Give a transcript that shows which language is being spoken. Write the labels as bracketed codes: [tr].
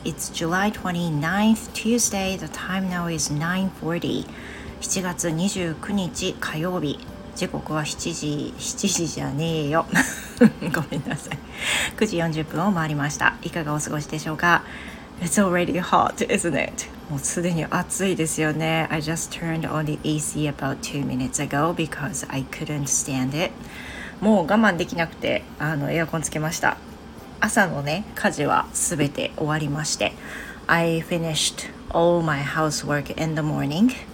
[en] It's July 29th, Tuesday. The time now is 9:40. [ja] 7月29日火曜日。時刻は7時、7時じゃねえよ。ごめんなさい。 9時40分を回りました。いかがお過ごしでしょうか？ [en] It's already hot, isn't it? [ja] もうすでに暑いですよね。 [en] I just turned on the AC about 2 minutes ago because I couldn't stand it. [ja] もう我慢できなくてエアコンつけました。朝のね、家事はすべて終わりまして。 [en] I finished all my housework in the morning.